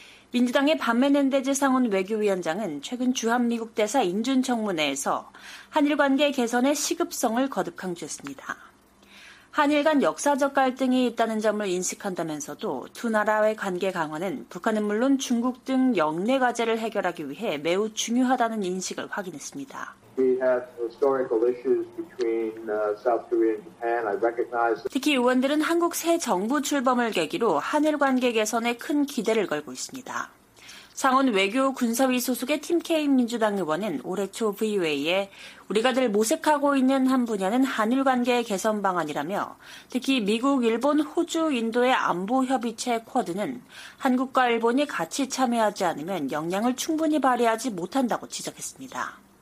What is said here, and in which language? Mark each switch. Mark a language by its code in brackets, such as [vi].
[ko] 민주당의 반메넨데즈 상원 외교위원장은 최근 주한미국 대사 인준 청문회에서 한일 관계 개선의 시급성을 거듭 강조했습니다. 한일 간 역사적 갈등이 있다는 점을 인식한다면서도 두 나라의 관계 강화는 북한은 물론 중국 등 역내 과제를 해결하기 위해 매우 중요하다는 인식을 확인했습니다. [en] We have historical issues between South Korea and Japan. I recognize. [ko] 특히 의원들은 한국 새 정부 출범을 계기로 한일 관계 개선에 큰 기대를 걸고 있습니다. 상원 외교 군사위 소속의 팀 케인 민주당 의원은 올해 초 VOA에 우리가 늘 모색하고 있는 한 분야는 한일 관계 개선 방안이라며 특히 미국, 일본, 호주, 인도의 안보 협의체 쿼드는 한국과 일본이 같이 참여하지 않으면 역량을 충분히 발휘하지 못한다고 지적했습니다.